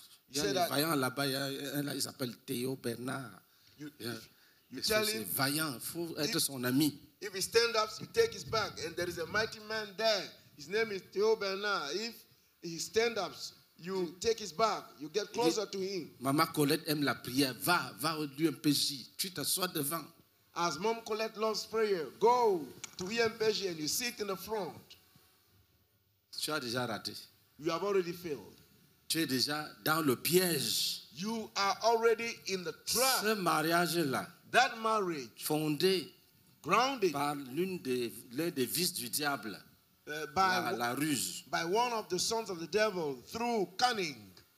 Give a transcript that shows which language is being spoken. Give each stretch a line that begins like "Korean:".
French: Il y a un vaillant là-bas, il s'appelle Théo Bernard. Il faut être son ami.
English: If he stands up, you take his bag, and there is a mighty man there. His name is Théo Bernard. If he stands up, you take his bag, you get closer to him.
French: Maman Colette aime la prière. Va au UMPJ. Tu t'assois devant.
English: As Mom Colette loves prayer, go to UMPJ and you sit in the front.
French: Tu as déjà raté.
English: You have already failed.
French: Tu es déjà dans le piège.
English: You are already in the trap.
French: Ce mariage-là,
English: that marriage,
French: fondé
English: grounded
French: par l'un des vices du diable, la ruse,
English: by one of the sons of the devil through cunning,